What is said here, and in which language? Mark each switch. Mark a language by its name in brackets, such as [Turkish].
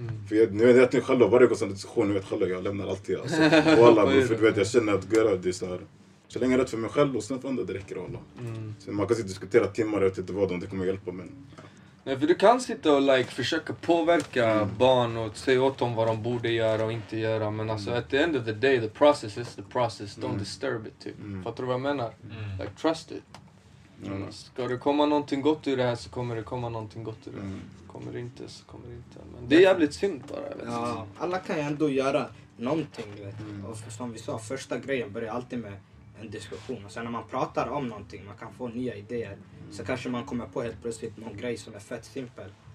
[Swedish] För jag nu vet jag själv, varje gång som en diskussion, nu vet själv, jag lämnar alltid. Alltså. Och alla, för du vet, jag känner att göra det så här. Så länge rätt för mig själv och sen för andra, det räcker alla. Sen man kan sitta och diskutera timmar, jag vet inte vad det kommer hjälpa, men... Nej, för du kan sitta och like, försöka påverka barn och säga åt dem vad de borde göra och inte göra. Men alltså, [English] at the end of the day, the process is the process. Don't disturb it, [Swedish] typ. Fattar du vad jag menar? [English] Like, trust it. [Swedish] Ska det komma någonting gott ur det här så kommer det komma någonting gott ur det. Kommer det inte så kommer det inte. Men det är jävligt synd bara. Vet. Ja, alla kan ju ändå göra någonting. Vet. Och som vi sa, första grejen börjar alltid med en diskussion. Och sen när man pratar om någonting, man kan få nya idéer. Så kanske man kommer på helt plötsligt någon grej som är fett simpel.